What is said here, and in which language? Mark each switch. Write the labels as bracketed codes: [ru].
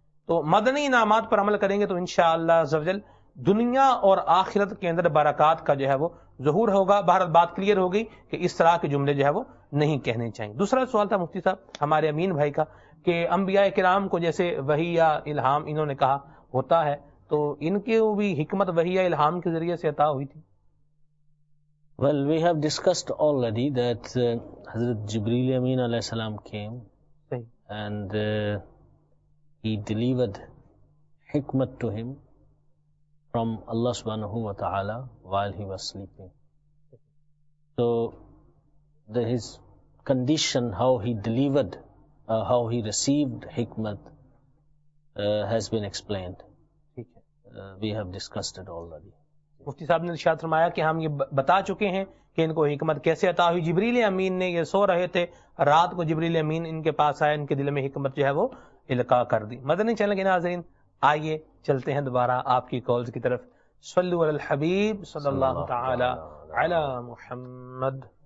[ur] تو مدنی انعامات پر عمل کریں گے تو انشاءاللہ عزوجل دنیا اور آخرت کے اندر برکات کا جو ہے وہ ظہور ہوگا. بھارت بات کلیئر ہو گئی کہ اس طرح کے جملے جو ہے وہ نہیں کہنے چاہیے. دوسرا سوال تھا مفتی صاحب ہمارے امین بھائی کا کہ انبیاء کرام کو جیسے وحی یا الہام انہوں نے کہا ہوتا ہے تو ان کے بھی حکمت وحی یا الہام کے ذریعے سے عطا ہوئی تھی. [en] Well, we have discussed already that حضرت جبریل امین علیہ السلام came and he delivered حکمت to him from Allah subhanahu wa ta'ala while he was sleeping. So his condition, how he delivered, how he received hikmat has been explained. We have discussed it already. [ur] مفتی صاحب نے ارشاد فرمایا کہ ہم یہ بتا چکے ہیں کہ ان کو حکمت کیسے عطا ہوئی. جبریل امین نے, یہ سو رہے تھے رات کو جبریل امین ان کے پاس آئے, ان کے دل میں حکمت جو ہے وہ القا کر دی. مدنی چینل کے ناظرین آئیے چلتے ہیں دوبارہ آپ کی کالز کی طرف. [ar] صلوا علی الحبیب صلی اللہ تعالی علی محمد.